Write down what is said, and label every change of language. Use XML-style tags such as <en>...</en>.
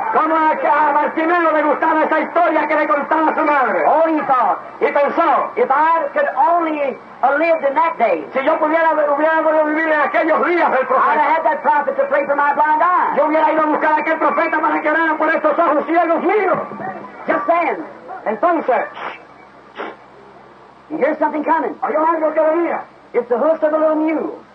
<es>Como a Bartimaeus le gustaba esa historia que le contaba su madre.</es> <en>Oh, he thought.</en> <es>Y pensó.</es> <en>If I could only have lived in that day.</en> <es>Si yo hubiera podido vivir en aquellos días del profeta.</es> <en>I'd have had that prophet to pray for my blind eyes.</en> <es>Yo hubiera ido a buscar a aquel profeta para que oraran por estos ojos ciegos míos.</es> <en>Just then.</en> <es>Entonces.</es> <en>You hear something coming.</en> <es>¿Oye algo que venía?</es> <en>It's the hoofs of a little mule.</en>